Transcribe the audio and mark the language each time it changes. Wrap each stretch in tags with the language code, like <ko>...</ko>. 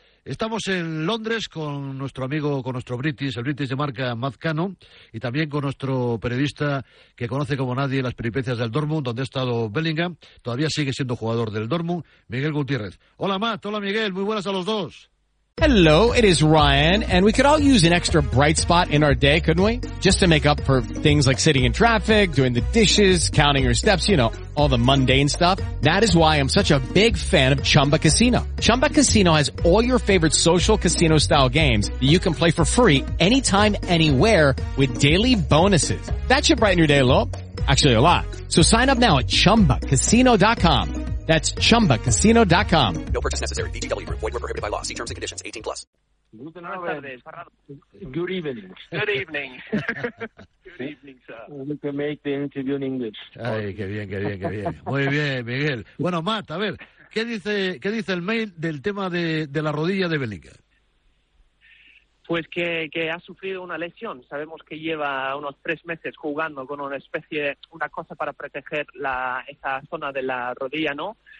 <es>Estamos en Londres con nuestro amigo, con nuestro British, el British de marca Matt Cannon, y también con nuestro periodista que conoce como nadie las peripecias del Dortmund, donde ha estado Bellingham, todavía sigue siendo jugador del Dortmund, Miguel Gutiérrez. Hola Matt, hola Miguel, muy buenas a los dos.</es> <en>Hello, it is Ryan, and we could all use an extra bright spot in our day, couldn't we? Just to make up for things like sitting in traffic, doing the dishes, counting your steps, you know, all the mundane stuff. That is why I'm such a big fan of Chumba Casino. Chumba Casino has all your favorite social casino-style games that you can play for free anytime, anywhere with daily bonuses. That should brighten your day a little. Actually, a lot. So sign up now at chumbacasino.com. That's chumbacasino.com. No purchase necessary. VGW. Void where prohibited by law. See terms and conditions. 18 plus. Good evening. Good evening. Good evening, sir. We can make the interview in English.</en> <es>Ay, qué bien, qué bien, qué bien. Muy bien, Miguel. Bueno, Matt, a ver, ¿qué dice el mail del tema de la rodilla de Bellingham? Pues que ha sufrido una lesión. Sabemos que lleva unos 3 meses jugando con una especie de una cosa para proteger esa zona de la rodilla, ¿no?</es>